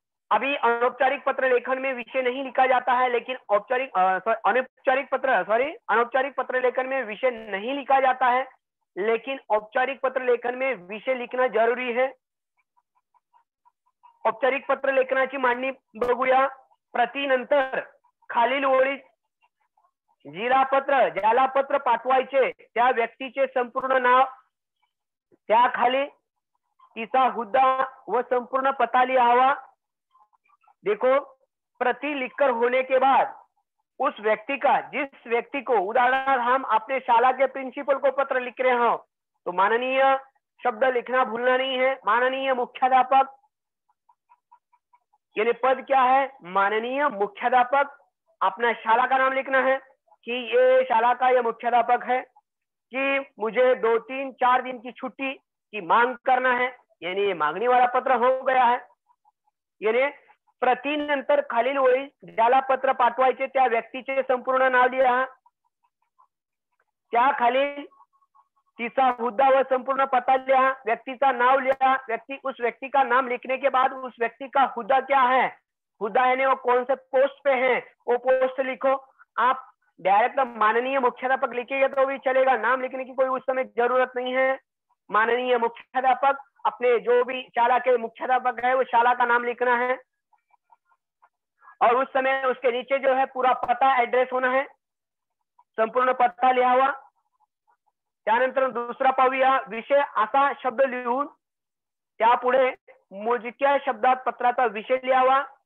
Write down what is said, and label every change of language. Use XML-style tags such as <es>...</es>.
<hi>अभी अनौपचारिक पत्र लेखन में विषय नहीं लिखा जाता है, लेकिन अनौपचारिक पत्र लेखन में विषय नहीं लिखा जाता है, लेकिन औपचारिक पत्र लेखन में विषय लिखना जरूरी है।</hi> <mr>औपचारिक पत्र लेखनाची मांडणी बघूया। प्रतीनंतर खालील ओळी जिला पत्र ज्याला पत्र पाठवायचे त्या व्यक्तीचे संपूर्ण नाव त्या खाली तिचा हुद्दा व संपूर्ण पत्ता लिहावा।</mr> <hi>देखो प्रति लिखकर होने के बाद उस व्यक्ति का जिस व्यक्ति को उदाहरण हम अपने शाला के प्रिंसिपल को पत्र लिख रहे हो तो माननीय शब्द लिखना भूलना नहीं है। माननीय मुख्याध्यापक यानी पद क्या है, माननीय मुख्याध्यापक अपना शाला का नाम लिखना है कि ये शाला का ये मुख्याध्यापक है, कि मुझे 2-3-4 दिन की छुट्टी की मांग करना है, यानी ये मांगनी वाला पत्र हो गया है।</hi> <mr>यानी प्रतीनंतर खालील ओळी ज्याला पत्र पाठवायचे त्या व्यक्तीचे संपूर्ण नाव लिहा, त्या खालील तिचा हुद्दा व संपूर्ण पत्ता लिहा, व्यक्तीचा नाव लिहा।</mr> <hi>व्यक्ती उस व्यक्ति का नाम लिखने के बाद उस व्यक्ति का हुद्दा क्या है, हुद्दा यानी वो कौन से पोस्ट पे है वो पोस्ट लिखो। आप डायरेक्ट माननीय मुख्याध्यापक लिखेगा तो भी चलेगा, नाम लिखने की कोई उस समय जरूरत नहीं है। माननीय मुख्याध्यापक अपने जो भी शाला के मुख्याध्यापक है वो शाला का नाम लिखना है और उस समय उसके नीचे जो है पूरा पता एड्रेस होना है, संपूर्ण पता लिया हुआ।</hi> <mr>त्यानंतर दूसरा पाहूया, विषय असा शब्द लिहून त्यापुढे मोजक्या शब्दात पत्राचा विषय लिहावा।</mr>